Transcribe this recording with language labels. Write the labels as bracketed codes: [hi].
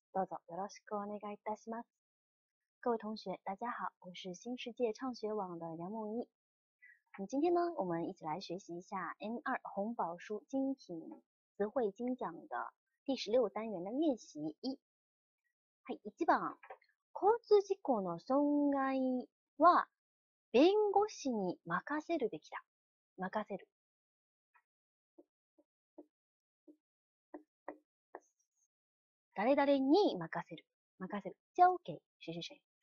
[ja] どうぞよろしくお願いいたします。 [zh] 各位同学，大家好，我是新世界畅学网的杨梦一。今天呢，我们一起来学习一下 M2 红宝书精品词汇精讲的第16单元的练习一。 [ja] はい、1番。交通事故の損害は弁護士に任せるべきだ。任せる。誰々に任せる。任せる。 [zh] 交给谁谁谁。